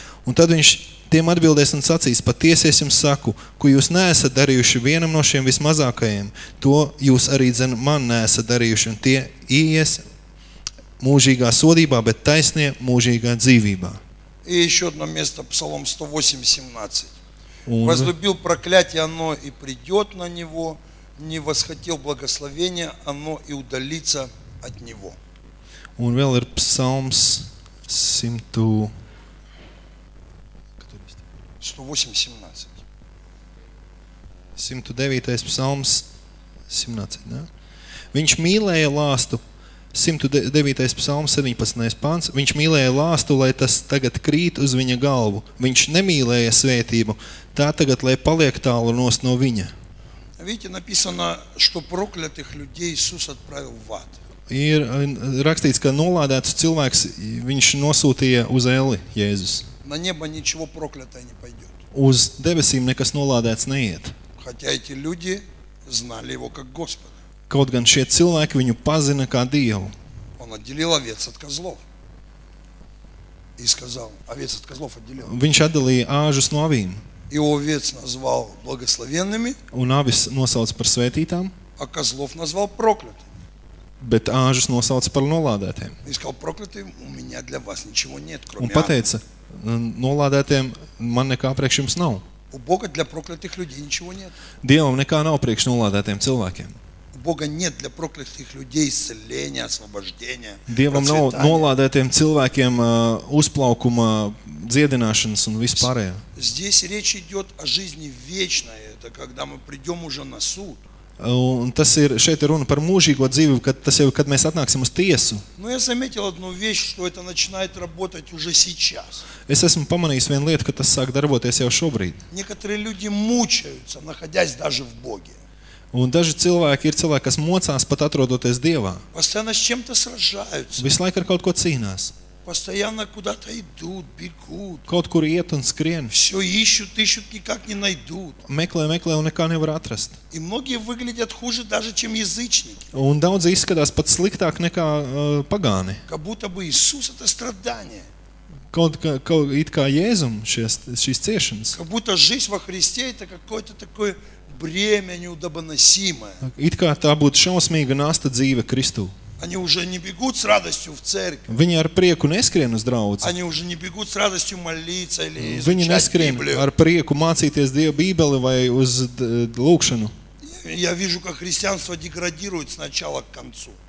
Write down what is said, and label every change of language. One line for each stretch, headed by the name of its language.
Latvian: Un tad viņš tiem atbildēs un sacīs: patiesi es jums saku, ko jūs neesat darījuši vienam no šiem vismazākajiem, to jūs arī dzen man neesat darījuši, un tie ies mūžīgā sodībā, bet taisnie mūžīgā dzīvībā.
Russian: И еще одно место, Псалом 108:17. Возлюбил проклятие оно и придет на него, не восхотел благословения оно и удалится от него.
Latvian: Un vēl ir Psalms 109. Psalms 17, da? Viņš mīlēja lāstu. 109. Psalms 17. Pants. Viņš mīlēja lāstu, lai tas tagad krīt uz viņa galvu. Viņš nemīlēja svētību, tā tagad, lai paliek tālu nost no viņa.
Russian: Видите, написано, что проклятых людей Иисус отправил в ад.
Latvian: Ir rakstīts, ka nolādētus cilvēks viņš nosūtīja uz eli, Jēzus.
Russian: На небо ничего проклятое не пойдёт.
Latvian: Uz debesīm nekas nolādēts neiet.
Russian: Хотя эти люди знали его как Господа.
Latvian: Kaut gan šie cilvēki viņu pazina kā Dievu.
Russian: Он отделил овец от козлов. И сказал: овец от козлов отделил.
Latvian: Viņš atdalīja āžus no avīm.
Russian: И овец назвал благословенными.
Latvian: Un avis nosauc par svētītām.
Russian: А козлов назвал проклятыми.
Latvian: Bet āžus nosauc par nolādētiem.
Russian: И сказал: проклятые, у меня для вас ничего нет, кроме.
Latvian: Un pateica: nolādētiem man nekā priekš jums nav.
Russian: У Бога для проклятых людей ничего нет.
Latvian: Dievam nekā nav priekš nolādētiem cilvēkiem.
Russian: Бога нет для проклятых людей исцеления, освобождения.
Latvian: Dievam nav nolādētiem cilvēkiem uzplaukuma, dziedināšanas un vispārējā.
Russian: Здесь речь идёт о жизни вечной, это когда мы придём уже на суд.
Latvian: Un tas ir šeit ir runa par mūžīgo dzīvi, kad tas jau kad mēs atnāksim uz tiesu.
Russian: Но я заметил одну вещь, что это начинает работать уже сейчас.
Latvian: Es esmu pamanījis vienu lietu, ka tas sāk darboties jau šobrīd.
Russian: Некоторые люди мучаются, находясь даже в Боге.
Latvian: Un daži cilvēki ir cilvēki, kas mocās pat atrodoties Dievā.
Russian: Постоянно с чем-то сражаются.
Latvian: Visu laiku ar kaut ko cīnās.
Russian: Постоянно куда-то идут, бегут.
Latvian: Kaut kur iet un skrien.
Russian: Все ищут, ищут, никак не найдут.
Latvian: Meklē, meklē un nekā nevar atrast.
Russian: И многие выглядят хуже даже, чем язычники.
Latvian: Un daudzi izskatās pat sliktāk nekā pagāni.
Russian: Как будто бы Иисус это страдание.
Latvian: Kaut it kā Jēzum šīs ciešanas.
Russian: Как будто жизнь во Христе это какое-то такое бремя неудобоносимое.
Latvian: It kā tā būtu šausmīga nasta dzīve Kristu.
Russian: Они уже не бегут с радостью в церковь.
Latvian: Viņi ar prieku neskrien uz draudzi.
Russian: Они уже не бегут с радостью молиться или изучать Библию.
Latvian: Viņi neskrien ar prieku mācīties Dievu Bībeli vai uz lūkšanu.
Russian: Я вижу, как христианство деградирует сначала к концу.